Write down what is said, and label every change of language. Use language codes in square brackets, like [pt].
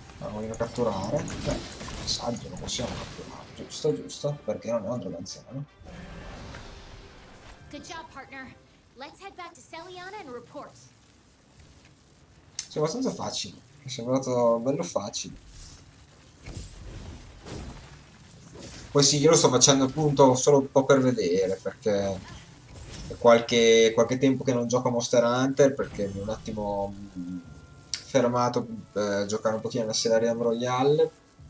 [it] Voglio catturare. Saggio, lo possiamo catturare. Giusto, giusto, perché non è un drago anziano. [en] Good job, partner. Let's head back to Celiana and report. [it] Sì, è abbastanza facile. Mi è sembrato bello facile. Poi sì, io lo sto facendo appunto solo un po' per vedere, perché è qualche tempo che non gioco a Monster Hunter, perché mi ho un attimo fermato per giocare un pochino alla serie Royale.